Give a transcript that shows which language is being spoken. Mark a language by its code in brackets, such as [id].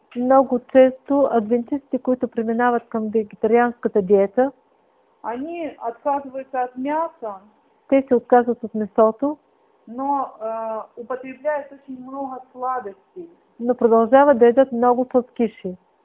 [bg] много често адвентисты, които преминават към вегетарианската диета, [ru] они отказываются от мяса, [bg] те се отказват от месото, [ru] но употребляют очень много сладостей, [bg] но продължават да едат много сладкиши.